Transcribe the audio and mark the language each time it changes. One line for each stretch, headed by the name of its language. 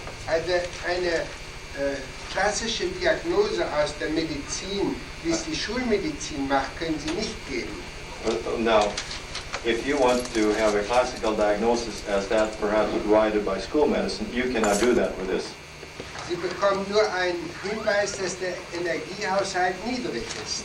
German: Also eine klassische Diagnose aus der Medizin, wie es die Schulmedizin macht, können Sie nicht geben.
English: Now, if you want to have a classical diagnosis as that perhaps provided by school medicine, you cannot do that with this.
German: Sie bekommen nur einen Hinweis, dass der Energiehaushalt niedrig ist.